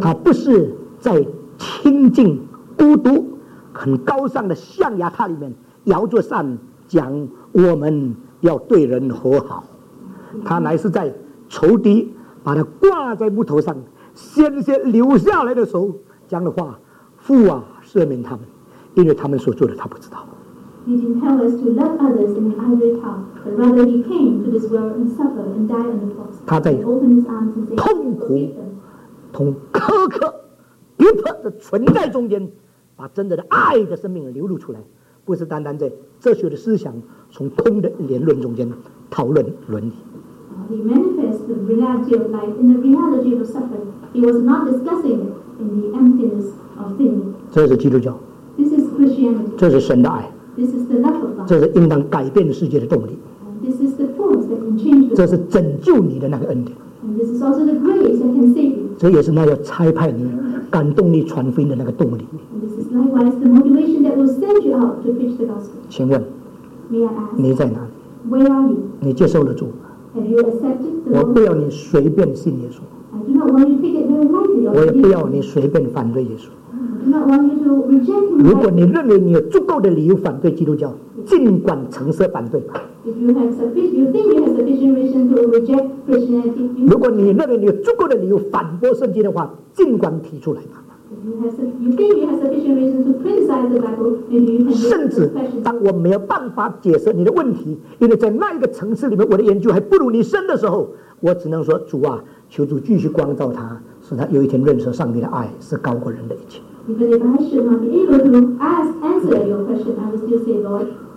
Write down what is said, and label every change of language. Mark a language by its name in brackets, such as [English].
[Chinese] 他不是在清静孤独很高尚的象牙塔里面摇着扇讲我们要对人和好，他乃是在仇敌把他挂在木头上鲜血流下来的时候讲的话，父啊，赦免他们，因为他们所做的他不知道。 [English] He didn't tell us to love others in the ivory tower, but rather he came to this world and suffered and died on the cross. [Chinese] 他在痛苦、同苛刻、逼迫的存在中间，把真正的爱的生命流露出来，不是单单在哲学的思想从空的言论中间讨论伦理。 [English] He manifests the reality of life in the reality of suffering. He was not discussing it in the emptiness of things. [Chinese] 这是基督教。 [English] This is Christianity. [Chinese] 这是神的爱。 [English] This is the love of God. [Chinese] 这是应当改变世界的动力。 [English] And this is the force that can change the world. [Chinese] 这是拯救你的那个恩典。 [English] And this is also the grace that can save you. [Chinese] 这也是那要差派你、感动你传福音的那个动力。 [English] And this is likewise the motivation that will send you out to preach the gospel. [Chinese] 请问， [English] May I ask, [Chinese] 你在哪里？ [English] Where are you? [Chinese] 你接受了主？ [English] Have you accepted the Lord? [Chinese] 我不要你随便信耶稣。 [English] I do not want you to take it very lightly. [Chinese] 我也不要你随便反对耶稣。 [English] I do not want you to reject him. [Chinese] 如果你认为你有足够的理由反对基督教，尽管诚实反对吧。 [English] If you have sufficient, you think you have sufficient reason to reject Christianity. [Chinese] 如果你认为你有足够的理由反驳圣经的话，尽管提出来吧。 [English] You think you have sufficient reason to criticize the Bible, maybe you can do it. [Chinese] 甚至当我没有办法解释你的问题，因为在那一个层次里面我的研究还不如你深的时候，我只能说，主啊，求主继续光照他，使他有一天认识上帝的爱是高过人的一切。 [English] Even if I should not be able to ask, answer your question, I will still say, Lord,